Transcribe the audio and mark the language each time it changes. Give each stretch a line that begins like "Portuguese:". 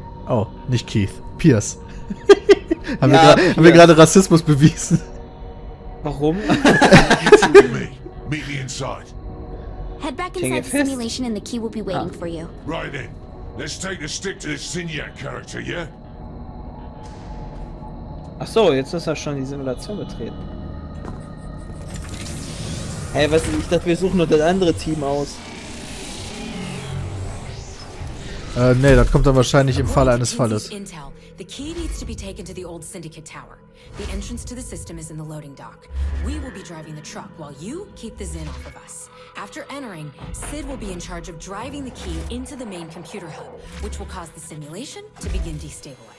German: Oh, nicht Keith. Pierce. haben wir gerade Rassismus bewiesen. Warum?
English: Meet me inside. Head back inside the simulation and the key will be waiting for you. Right then. Let's take the stick to the Zinyak character, yeah?
German: Ach so, jetzt ist er schon die Simulation betreten. Hey, was ist, ich dachte, wir suchen nur das andere Team aus. Nee, das kommt dann wahrscheinlich im Falle eines Falles.
English: The key needs to be taken to the old syndicate tower. The entrance to the system is in the loading dock. We will be driving the truck while you keep the Zin off of us. After entering, Sid will be in charge of driving the key into the main computer hub, which will cause the simulation to begin destabilizing.